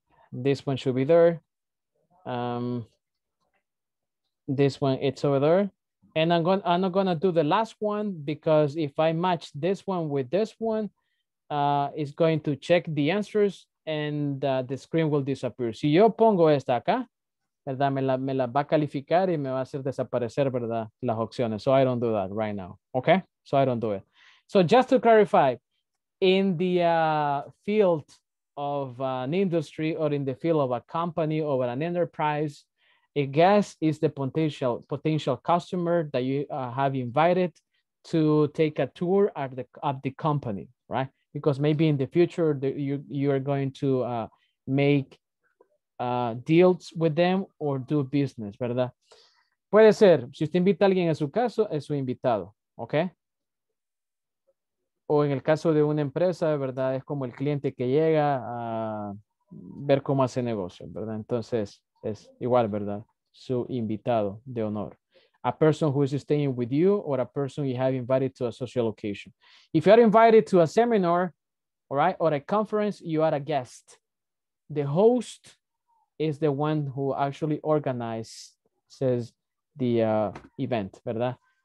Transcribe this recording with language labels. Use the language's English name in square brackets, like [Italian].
[English] This one should be there. This one, it's over there. And I'm not gonna do the last one because if I match this one with this one, it's going to check the answers and the screen will disappear. [Spanish] Si yo pongo esta acá, ¿verdad? Me la va a calificar y me va a hacer desaparecer, ¿verdad? Las opciones. [English] So I don't do that right now. Okay? So I don't do it. So just to clarify, in the field of an industry or in the field of a company or an enterprise, a guest is the potential customer that you have invited to take a tour at the company, right? Because maybe in the future, you are going to make deals with them or do business, ¿verdad? [Spanish] Puede ser, si usted invita a alguien a su casa, es su invitado, ¿ok? O en el caso de una empresa, ¿verdad? Es como el cliente que llega a ver cómo hace negocio, ¿verdad? Entonces, es igual, ¿verdad? Su invitado de honor. [English] A person who is staying with you or a person you have invited to a social location. If you are invited to a seminar, all right, or a conference, you are a guest. The host is the one who actually organizes the event, ¿verdad?